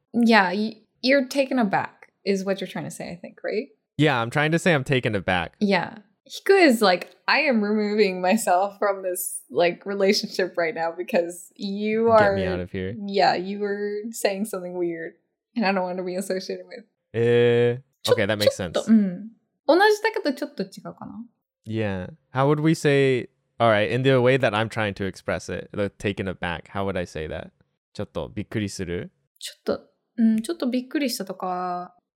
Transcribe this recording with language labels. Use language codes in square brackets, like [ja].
[en] Yeah, you're taken aback is what you're trying to say, I think, right? Yeah, I'm trying to say I'm taken aback. Yeah. Hiku is like, I am removing myself from this like relationship right now because you are... Get me out of here. Yeah, you were saying something weird and I don't want to be associated with. Okay, that makes sense. [ja] 同じだけどちょっと違うかな? [en] Yeah. How would we say... All right, in the way that I'm trying to express it, the taken aback, how would I say that? [ja] ちょっとびっくりする? ちょっとびっくりしたとか...